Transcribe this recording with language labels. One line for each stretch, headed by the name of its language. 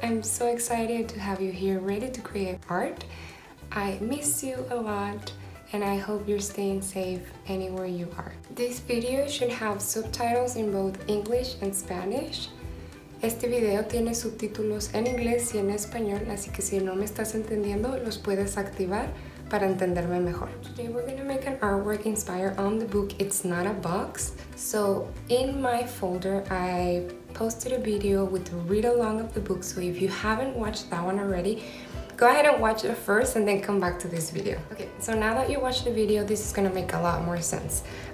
English: I'm so excited to have you here ready to create art. I miss you a lot and I hope you're staying safe anywhere you are. This video should have subtitles in both English and Spanish.
Spanish: Este video tiene subtítulos en inglés y en español, así que si no me estás entendiendo, los puedes activar para entenderme mejor.
English: Today we're gonna make an artwork inspired on the book It's Not a Box. So in my folder I posted a video with the read along of the book, so if you haven't watched that one already, go ahead and watch it first and then come back to this video. Okay, so now that you watched the video, this is gonna make a lot more sense.